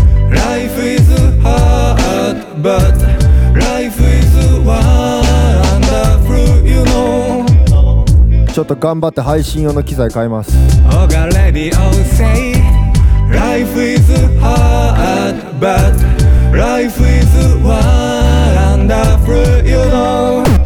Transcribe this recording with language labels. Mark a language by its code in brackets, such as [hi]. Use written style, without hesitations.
[en] Life is hard but life is wonderful you know。 [ja] ちょっと頑張って配信用の機材買います。 [en] OGA Radio sayLife is hard but life is wonderful you know。